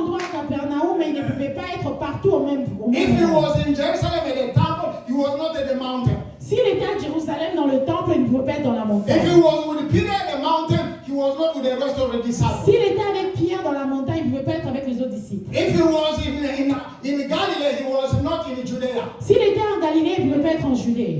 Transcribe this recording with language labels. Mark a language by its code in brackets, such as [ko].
[en] If he was in Jerusalem at the temple, he was not at the mountain. [fr] S'il était à Jérusalem dans le temple, il ne pouvait pas être dans la montagne. [en] If he was with Peter at the mountain, he was not with the rest of the disciples. [fr] S'il était avec Pierre dans la montagne, il ne pouvait pas être avec les autres disciples. [en] If he was in Galilee, he was not in Judea. [fr] S'il était en Galilée, il ne pouvait pas être en Judée.